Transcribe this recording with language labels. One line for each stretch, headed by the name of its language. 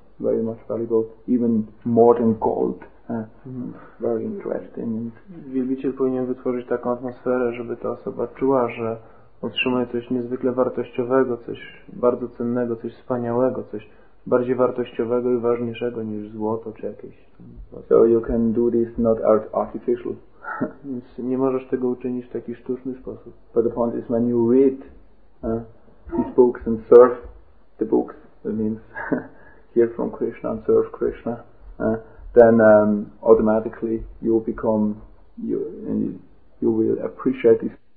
English: very much valuable, even more than gold. Very interesting.
Polish: Wielbiciel powinien wytworzyć taką atmosferę, żeby ta osoba czuła, że otrzymuje coś niezwykle wartościowego, coś bardzo cennego, coś wspaniałego, coś bardziej wartościowego i ważniejszego niż złoto czy jakieś.
English: So you can do this not artificial.
Polish: Więc nie możesz tego uczynić w taki sztuczny sposób.
English: But the point is when you read these books and serve the books, that means hear from Krishna and serve Krishna, then automatically you will become you will appreciate this.